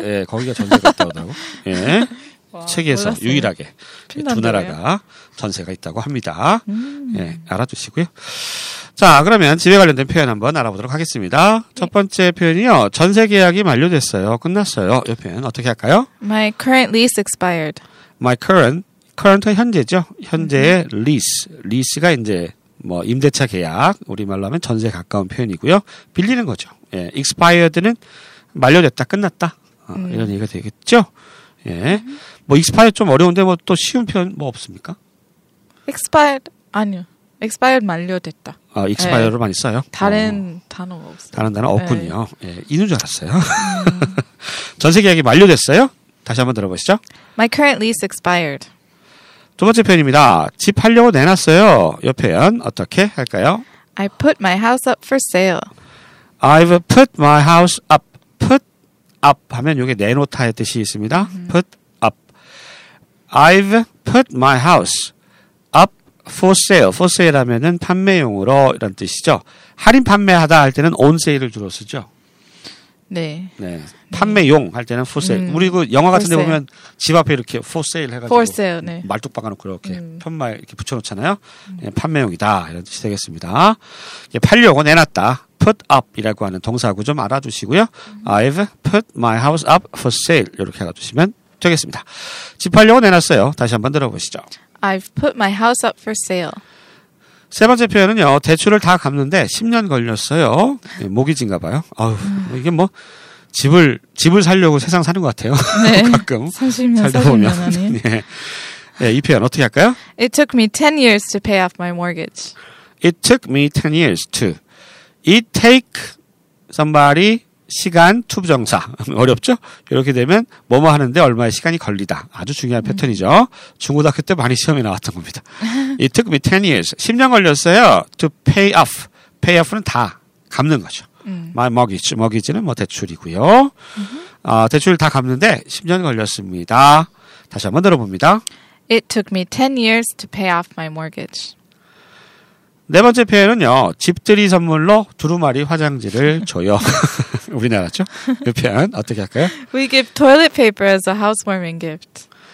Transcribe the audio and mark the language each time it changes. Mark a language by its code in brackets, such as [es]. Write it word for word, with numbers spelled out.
[ko] 예, 거기가 전세가 있다고 하더라고. 예. 와, 세계에서 몰랐어요. 유일하게 핀란드네요. 두 나라가 전세가 있다고 합니다. 음. 예, 알아두시고요. 자, 그러면 집에 관련된 표현 한번 알아보도록 하겠습니다. 네. 첫 번째 표현이요. 전세 계약이 만료됐어요. 끝났어요. 이 표현 어떻게 할까요? [en] My current lease expired. My current, current [ko] 현재죠. 현재의 음. lease, lease가 이제 뭐 임대차 계약, 우리말로 하면 전세에 가까운 표현이고요. 빌리는 거죠. 예, expired는 만료됐다, 끝났다. 어, 음. 이런 얘기가 되겠죠. 예, 음. 뭐 expire 좀 어려운데 뭐 또 쉬운 표현 뭐 없습니까? expired 아니요. expired 만료됐다. 아, expire를 예. 많이 써요. 다른 어. 단어가 없어요. 다른 단어 없군요. 예, 예 이는 줄 알았어요. 음. 전세 계약이 만료됐어요. 다시 한번 들어보시죠. [en] My current lease expired. [ko] 두 번째 표현입니다. 집 팔려고 내놨어요. 이 표현 어떻게 할까요? [en] I put my house up for sale. I've put my house up. [ko] Put up 하면 이게 내놓다의 뜻이 있습니다. [en] 음. Put up. I've put my house up for sale. [ko] For sale 하면은 판매용으로 이런 뜻이죠. 할인 판매하다 할 때는 on sale을 주로 쓰죠. 네. 네. 판매용 할 때는 for sale. 음. 우리 그 영화 같은 데 [en] for [ko] 보면 집 앞에 이렇게 for sale 해가지고 [en] for sale, 네. [ko] 말뚝 박아놓고 이렇게 음. 편말 이렇게 붙여놓잖아요. 예, 판매용이다. 이런 뜻이 되겠습니다. 예, 팔려고 내놨다. put up 이라고 하는 동사하고 좀 알아두시고요. 음. [en] I've put my house up for sale. [ko] 이렇게 해가주시면 되겠습니다. 집 팔려고 내놨어요. 다시 한번 들어보시죠. [en] I've put my house up for sale. [ko] 세 번째 표현은요. 대출을 다 갚는데 십 년 걸렸어요. 예, 모기지인가 봐요. 아유, 이게 뭐 집을 집을 살려고 세상 사는 것 같아요. 네. 가끔 삼십 년, 살다 보면. 사십 년 안에. 예. 예, 이 표현 어떻게 할까요? [en] It took me ten years to pay off my mortgage. It took me ten years to. It take somebody [ko] 시간 투부정사 어렵죠? 이렇게 되면 뭐뭐 하는데 얼마의 시간이 걸리다. 아주 중요한 음. 패턴이죠. 중고등학교 때 많이 시험에 나왔던 겁니다. [en] It took me ten years. [ko] 십 년 걸렸어요. [en] To pay off. [ko] Pay off는 다 갚는 거죠. 음. [en] My mortgage. [ko] mortgage는 뭐 대출이고요. 어, 대출 다 갚는데 십 년 걸렸습니다. 다시 한번 들어봅니다. [en] It took me ten years to pay off my mortgage. [ko] 네 번째 표현은요. 집들이 선물로 두루마리 화장지를 줘요. 우리나라죠? 이 표현 어떻게 할까요? [en] We give toilet paper as a housewarming gift.